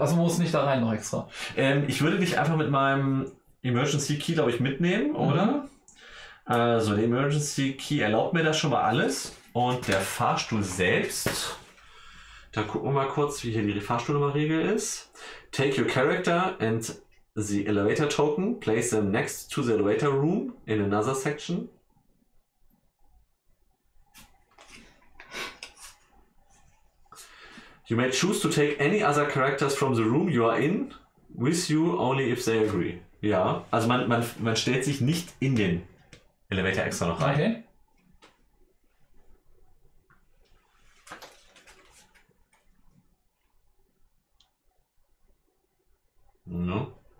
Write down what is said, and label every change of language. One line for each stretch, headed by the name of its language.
German: Also musst du nicht da rein noch extra. Ich würde dich einfach mit meinem Emergency Key, glaube ich, mitnehmen, oder? Also der Emergency Key erlaubt mir das schon mal alles und der Fahrstuhl selbst, da gucken wir mal kurz, wie hier die Fahrstuhlnummerregel ist.
English: Take your character and the elevator token, place them next to the elevator room in another section. You may choose to take any other characters from the room you are in with you only if they agree.
German: Ja, also man stellt sich nicht in den Elevator extra noch rein. Okay.
English: No.